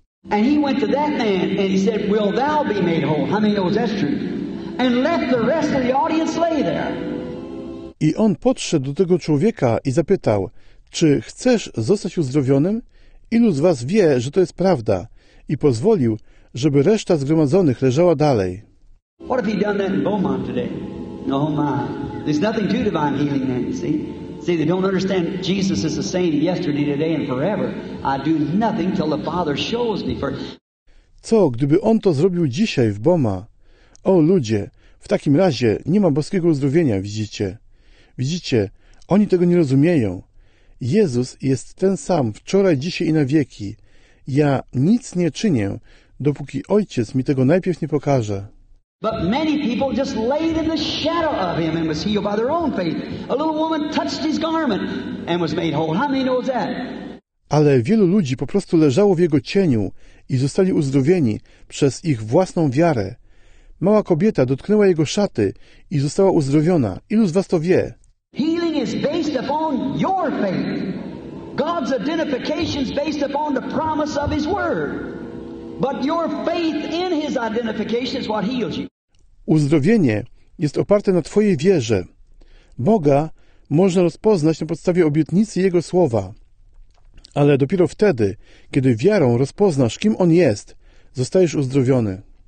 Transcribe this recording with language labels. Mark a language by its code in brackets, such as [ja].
[en] And he went to that man and he said, will thou be made whole? How many knows that's true? And left the rest of the audience lay there. [pl] I on podszedł do tego człowieka i zapytał, czy chcesz zostać uzdrowionym? Ilu z was wie, że to jest prawda? I pozwolił, żeby reszta zgromadzonych leżała dalej. [en] What if he done that in Beaumont today? Oh my. There's nothing to divine healing then, you see? See, they don't understand Jesus is the same yesterday, today and forever. I do nothing till the Father shows me first. [pl] Co, gdyby on to zrobił dzisiaj w Boma? O ludzie, w takim razie nie ma boskiego uzdrowienia, widzicie? Widzicie, oni tego nie rozumieją. Jezus jest ten sam wczoraj, dzisiaj i na wieki. Ja nic nie czynię, dopóki Ojciec mi tego najpierw nie pokaże. [en] But many people just laid in the shadow of him and was healed by their own faith. A little woman touched his garment and was made whole. How many knows that? [pl] Ale wielu ludzi po prostu leżało w jego cieniu i zostali uzdrowieni przez ich własną wiarę. Mała kobieta dotknęła jego szaty i została uzdrowiona. Ilu z was to wie? [en] Healing is based upon your faith. God's identification is based upon the promise of his word. But your faith in his identification is what heals you. [pl] Uzdrowienie jest oparte na twojej wierze. Boga można rozpoznać na podstawie obietnicy Jego słowa. Ale dopiero wtedy, kiedy wiarą rozpoznasz, kim On jest, zostajesz uzdrowiony.